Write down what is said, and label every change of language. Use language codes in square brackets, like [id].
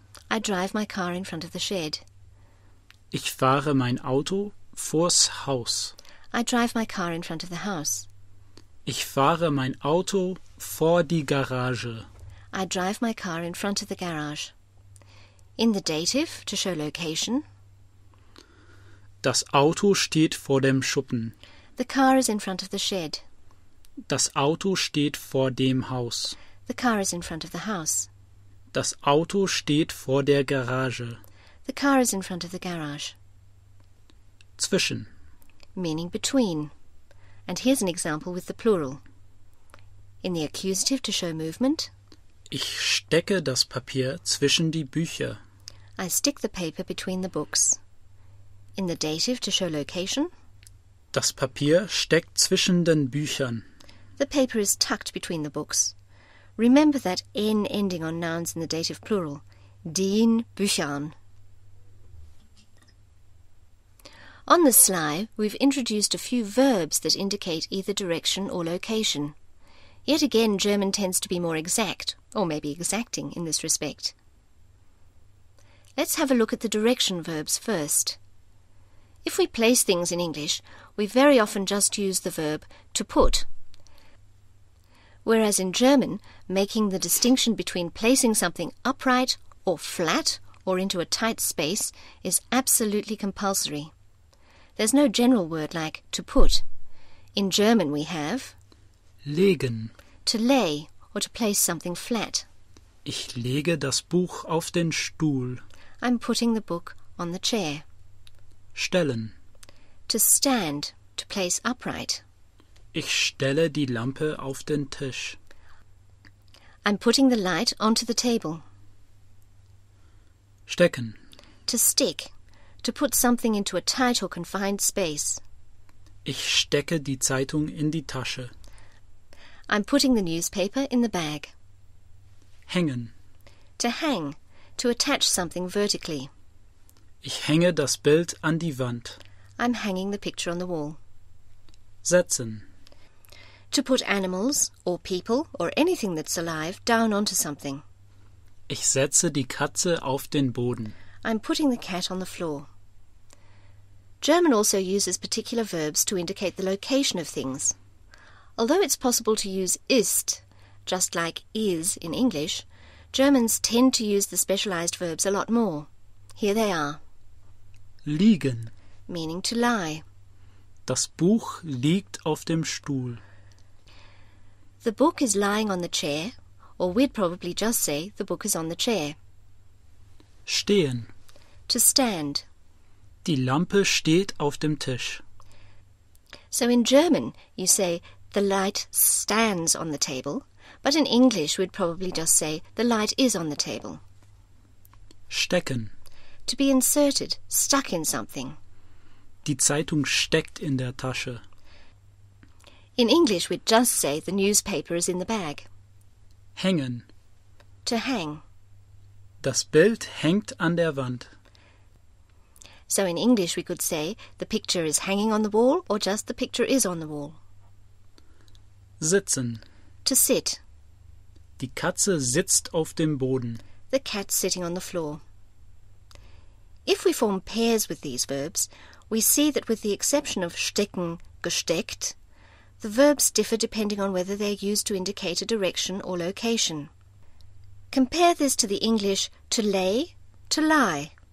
[en] I drive my car in front of the shed. [de] Ich fahre mein Auto vors Haus. [en] I drive my car in front of the house. [de] Ich fahre mein Auto vor die Garage. [en] I drive my car in front of the garage. In the dative, to show location. [de] Das Auto steht vor dem Schuppen. [en] The car is in front of the shed. [de] Das Auto steht vor dem Haus. [en] The car is in front of the house. [de] Das Auto steht vor der Garage. [en] The car is in front of the garage. [de] Zwischen. [en] Meaning between. And here's an example with the plural. In the accusative to show movement. [de] Ich stecke das Papier zwischen die Bücher. [en] I stick the paper between the books. In the dative to show location. [de] Das Papier steckt zwischen den Büchern. [en] The paper is tucked between the books. Remember that N ending on nouns in the dative plural. [de] Den Büchern. [en] On this slide, we've introduced a few verbs that indicate either direction or location. Yet again, German tends to be more exact, or maybe exacting in this respect. Let's have a look at the direction verbs first. If we place things in English, we very often just use the verb to put. Whereas in German, making the distinction between placing something upright or flat or into a tight space is absolutely compulsory. There's no general word like to put. In German we have [de] legen, [en] to lay or to place something flat. [de] Ich lege das Buch auf den Stuhl. [en] I'm putting the book on the chair. [de] Stellen, [en] to stand, to place upright. [de] Ich stelle die Lampe auf den Tisch. [en] I'm putting the light onto the table. [de] Stecken, [en] to stick, to put something into a tight or confined space. [de] Ich stecke die Zeitung in die Tasche. [en] I'm putting the newspaper in the bag. [de] Hängen, [en] to hang, to attach something vertically. [de] Ich hänge das Bild an die Wand. [en] I'm hanging the picture on the wall. [de] Setzen, [en] to put animals or people or anything that's alive down onto something. [de] Ich setze die Katze auf den Boden. [en] I'm putting the cat on the floor. German also uses particular verbs to indicate the location of things. Although it's possible to use ist, just like is in English, Germans tend to use the specialized verbs a lot more. Here they are. [de] Liegen, [en] meaning to lie. [de] Das Buch liegt auf dem Stuhl. [en] The book is lying on the chair, or we'd probably just say the book is on the chair. [de] Stehen, [en] to stand. [de] Die Lampe steht auf dem Tisch. [en] So in German you say the light stands on the table, but in English we'd probably just say the light is on the table. [de] Stecken, [en] to be inserted, stuck in something. [de] Die Zeitung steckt in der Tasche. [en] In English we'd just say the newspaper is in the bag. [de] Hängen, [en] to hang. [de] Das Bild hängt an der Wand. [en] So in English we could say the picture is hanging on the wall or just the picture is on the wall. [de] Sitzen, [en] to sit. [de] Die Katze sitzt auf dem Boden. [en] The cat sitting on the floor. If we form pairs with these verbs, we see that with the exception of stecken, gesteckt, the verbs differ depending on whether they're used to indicate a direction or location. Compare this to the English to lay, to lie.